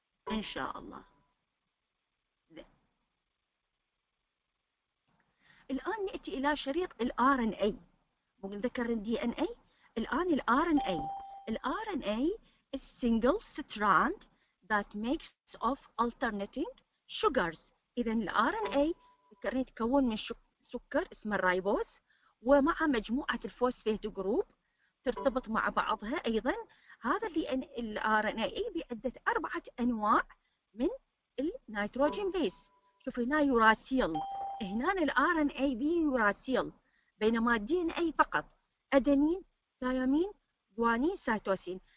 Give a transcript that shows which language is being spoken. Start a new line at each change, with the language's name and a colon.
Arabic: إن شاء الله. زين. الآن نأتي إلى شريط الـ RNA. ممكن ذكر الـ DNA؟ الآن الـ RNA.
English: الـ RNA is single strand that makes of alternating sugars.
Arabic: إذن الـ RNA يتكون من سكر اسمه الرايبوز ومع مجموعة الفوسفيت جروب ترتبط مع بعضها أيضاً. هذا الـ RNA بعدة أربعة أنواع من النيتروجين بيس. شوف هنا يوراسيل، هنا الـ RNA يوراسيل، بينما الـ DNA فقط أدينين، ثايمين، جوانين، سيتوسين.